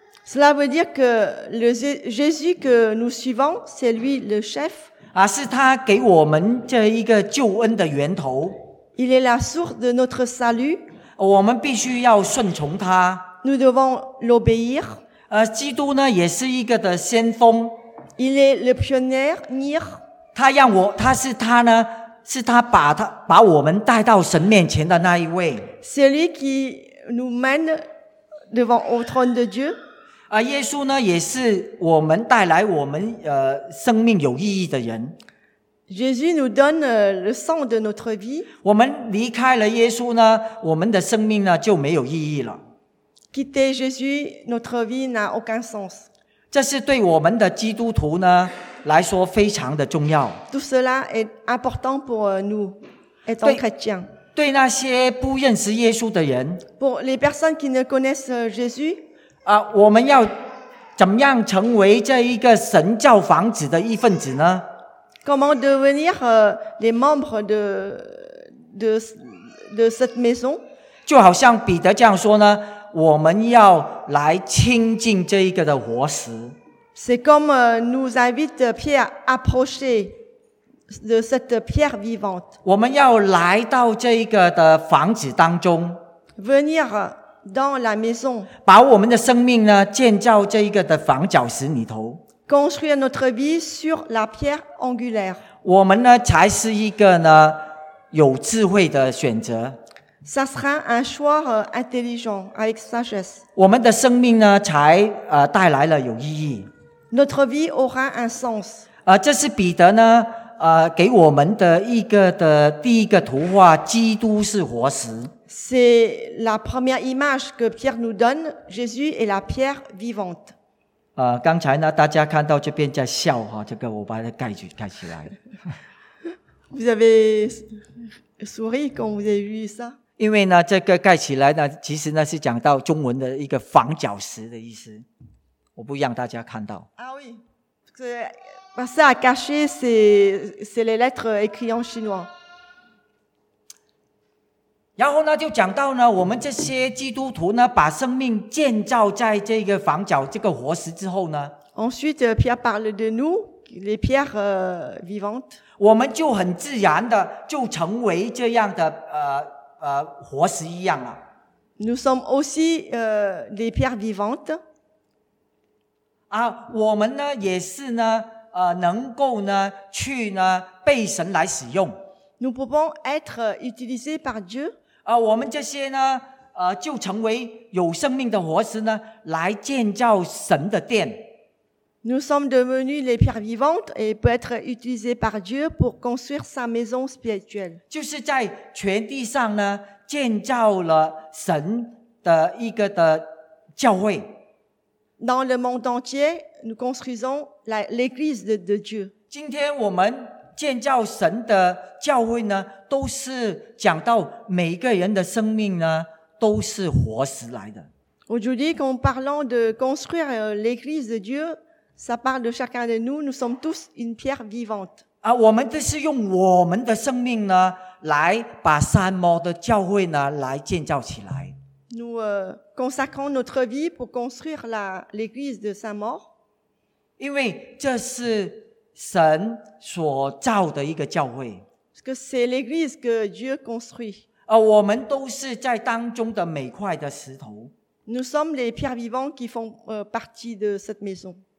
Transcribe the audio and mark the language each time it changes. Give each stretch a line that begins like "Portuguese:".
French: Cela veut dire que le Jésus que nous suivons, c'est lui le chef.
Chinese: 啊, 是他给我们这一个救恩的源头。
French: Il est la source de notre salut.
Chinese: 我们必须要顺从他。
French: Nous devons l'obéir.
Chinese: 基督呢, 也是一个的先锋。
French: Il est le pionnier.
Chinese: 他让我, 他是他呢, 是他把他, 把我们带到神面前的那一位。
French: C'est lui qui nous mène devant au trône de Dieu.
Chinese: 啊, 耶稣呢, 也是我们带来我们, 生命有意义的人。
French: Jésus nous donne le sens de notre vie.
Chinese: 我们离开了耶稣呢, 我们的生命呢, 就没有意义了。
French: Quitter Jésus, notre vie n'a aucun sens.
Chinese: 这是对我们的基督徒呢, 来说非常的重要。
French: Tout cela est important pour nous, étant 对, chrétiens.
Chinese: 对那些不认识耶稣的人,
French: pour les personnes qui ne connaissent Jésus,
Chinese: 啊, 我们要怎么样成为这一个神教房子的一份子呢?
French: Comment devenir les membres de cette maison?
Chinese: 就好像彼得这样说呢, 我们要来亲近这一个的活石。
French: C'est comme nous invite Pierre à approcher de cette pierre vivante.
Chinese: 我们要来到这一个的房子当中。
French: Venir dans la maison.
Chinese: 把我们的生命呢, 建造这一个的房角石里头。
French: Construire notre vie sur la pierre angulaire.
Chinese: 我们呢, 才是一个呢, 有智慧的选择。
French: Ça sera un choix intelligent avec sagesse.
Chinese: 我们的生命呢, 才, 带来了有意义。
French: Notre vie aura un sens.
Chinese: 这是彼得呢, 给我们的一个的第一个图画, 基督是活石。
French: C'est la première image que Pierre nous donne, Jésus est la pierre vivante.
Chinese: 刚才呢, 大家看到这边在笑, 哦, 这个我把它盖起来。
French: Vous avez souri quand vous avez vu ça?
Chinese: 因为呢, 这个盖起来呢, 其实呢, 是讲到中文的一个房角石的意思。我不让大家看到。
French: Ah oui, passer à cacher, c'est les lettres écrites en chinois.
Chinese: 然后呢, 就讲到呢, 我们这些基督徒呢, 把生命建造在这个房角, 这个活石之后呢,
French: Ensuite, Pierre parle de nous, les pierres vivantes.
Chinese: 我们就很自然的, 就成为这样的, 活石一样了。
French: Nous sommes aussi des pierres vivantes.
Chinese: 啊, 我们呢, 也是呢, 能够呢, 去呢, 被神来使用。
French: Nous pouvons être utilisés par Dieu.
Chinese: 啊, 我们这些呢, 就成为有生命的活石呢, 来建造神的殿。
French: Nous sommes devenus les pierres vivantes et peut être utilisés par Dieu pour construire sa maison spirituelle.
Chinese: 就是在全地上呢, 建造了神的一个的教会。
French: Dans le monde entier, nous construisons l'église de Dieu.
Chinese: 今天我们建造神的教会呢, 都是讲到每个人的生命呢, 都是活石来的。
French: Aujourd'hui, quand parlons de construire l'église de Dieu, ça parle de chacun de nous, nous sommes tous une pierre vivante.
Chinese: 啊, 我们都是用我们的生命呢, 来把山摩的教会呢, 来建造起来。
French: Nous consacrons notre vie pour construire l'église de Saint-Maur.
Chinese: 因为这是神所造的一个教会。
French: Parce que c'est l'église que Dieu construit.
Chinese: 我们都是在当中的每块的石头。
French: Nous sommes les pierres vivantes qui font partie de cette maison.